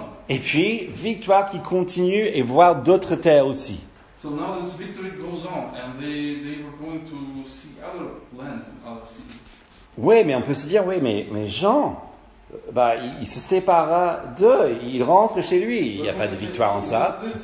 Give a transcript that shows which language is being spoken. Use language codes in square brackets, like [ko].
[fr] Et puis, victoire qui continue et voir d'autres terres aussi. [en] So now this victory goes on and they were going to see other lands and other cities. [fr] Oui, mais on peut se dire, oui, mais Jean, il se sépara d'eux, il rentre chez lui, il n'y a pas de victoire en ça.